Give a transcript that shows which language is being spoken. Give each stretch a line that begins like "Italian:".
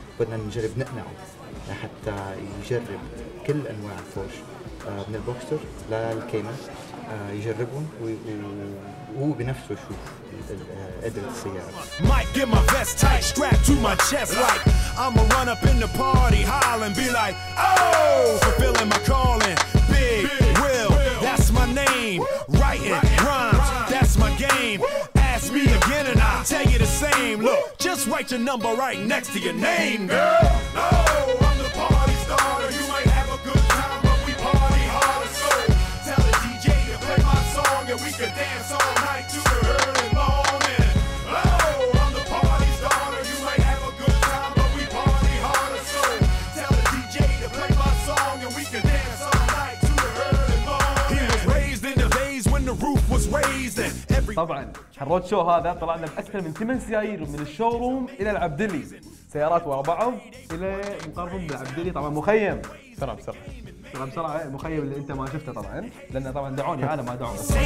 Arabic: بدنا نجرب نقنعه لحتى يجرب كل انواع البورش من البوكستر للكيمان يجربهم وهو بنفسه يشوف قدرة السيارة.
English: Might get my vest tight strapped to my chest like I'ma run up in the party hall and be like oh fulfilling my calling big will that's my name writing rhymes that's my game. Ask me again and I'll tell you the same. Look, just write your number right next to your name, girl. No, I'm the party starter. You might have a good time, but we party harder. So tell the DJ to play my song and we can dance all night to the early morning. Oh, I'm the party starter. You might have a good time, but we party harder. So tell the DJ to play my song and we can dance all night to the early morning. He was raised in the days when the roof was raised and every...
Arabic: الروت شو هذا طلعنا بأكثر من 8 سيارات من الشوروم إلى العبدلي، سيارات ورا بعض إلى مقرب من العبدلي. طبعا مخيم بسرعة بسرعة بسرعة بسرعة المخيم اللي انت ما شفته طبعا لأن طبعا دعوني أنا ما دعوني.